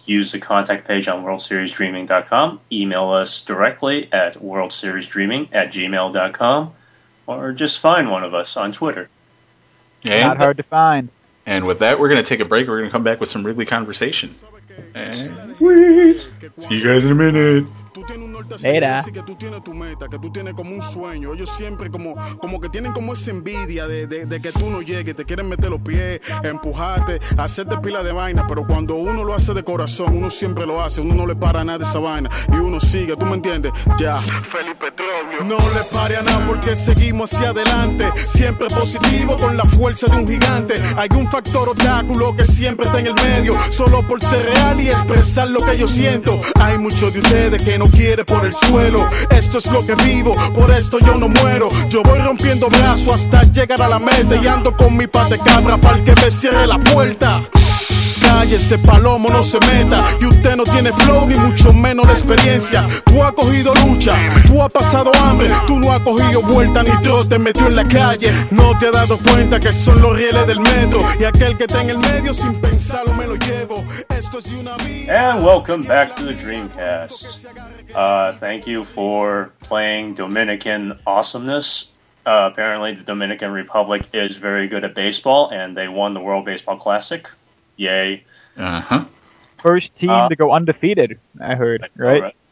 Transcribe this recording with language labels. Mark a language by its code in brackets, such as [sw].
[en] Use the contact page on WorldSeriesDreaming.com. Email us directly at WorldSeriesDreaming@gmail.com. Or just find one of us on Twitter. And not hard to find. And with that, we're going to take a break. We're going to come back with some Wrigley conversation. Sweet. See you guys in a minute. [es] Tú tienes un norte así, dice que tú tienes tu meta, que tú tienes como un sueño. Ellos siempre como que tienen como esa envidia de que tú no llegues. Te quieren meter los pies, empujarte, hacerte pila de vaina. Pero cuando uno lo hace de corazón, uno siempre lo hace. Uno no le para nada esa vaina y uno sigue, ¿tú me entiendes? Ya, Felipe Trovio. No le pare a nada porque seguimos hacia adelante. Siempre positivo con la fuerza de un gigante. Hay un factor obstáculo que siempre está en el medio. Solo por ser real y expresar lo que yo siento. Hay muchos de ustedes que no quiere por el suelo. Esto es lo que vivo, por esto yo no muero. Yo voy rompiendo brazos hasta llegar a la meta. Y ando con mi pata de cabra pa'l que me cierre la puerta. Cállese palomo, no se meta. Y usted no tiene flow, ni mucho menos la experiencia. Tú has cogido lucha, tú has pasado hambre. Tú no has cogido vuelta, ni trote metió en la calle. No te has dado cuenta que son los rieles del metro. Y aquel que está en el medio, sin pensarlo me lo llevo. Esto es una vida. [en] And welcome back to the Dreamcast. Thank you for playing Dominican Awesomeness. Apparently the Dominican Republic is very good at baseball, and they won the World Baseball Classic. Yay. Uh-huh. First team to go undefeated, I heard, right?